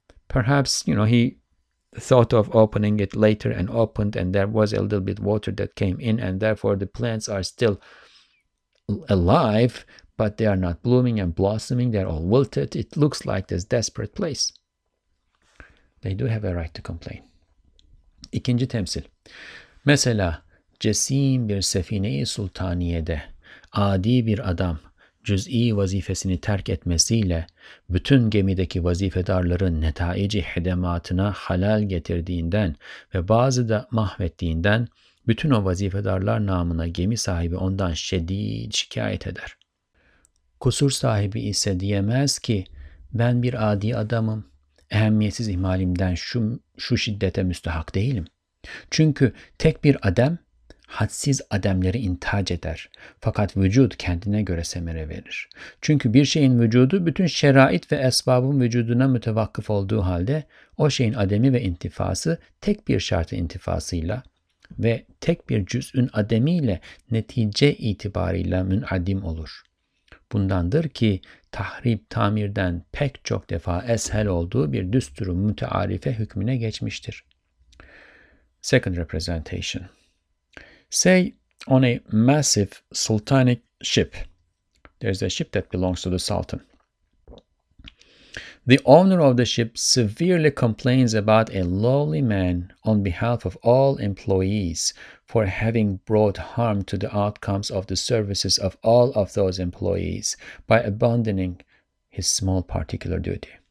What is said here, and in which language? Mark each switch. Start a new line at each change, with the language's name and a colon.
English: Perhaps, you know, he thought of opening it later and opened, and there was a little bit of water that came in, and therefore the plants are still alive, but they are not blooming and blossoming. They're all wilted. It looks like this desperate place. They do have a right to complain.
Turkish: İkinci temsil. Mesela, cesim bir sefine-i sultaniyede, adi bir adam, cüz'i vazifesini terk etmesiyle, bütün gemideki vazifedarların netaici hedematına halal getirdiğinden ve bazı da mahvettiğinden, bütün o vazifedarlar namına gemi sahibi ondan şedid şikayet eder. Kusur sahibi ise diyemez ki, ben bir adi adamım, ehemmiyetsiz ihmalimden şu şiddete müstahak değilim. Çünkü tek bir adem, hadsiz ademleri intac eder. Fakat vücut kendine göre semere verir. Çünkü bir şeyin vücudu, bütün şerait ve esbabın vücuduna mütevakkıf olduğu halde, o şeyin ademi ve intifası, tek bir şartı intifasıyla ve tek bir cüz'ün ademiyle netice itibarıyla münadim olur. Bundandır ki tahrip tamirden pek çok defa eshel olduğu bir düsturu mütearife hükmüne geçmiştir.
English: Second representation. Say on a massive sultanic ship. There's a ship that belongs to the sultan. The owner of the ship severely complains about a lowly man on behalf of all employees for having brought harm to the outcomes of the services of all of those employees by abandoning his small particular duty.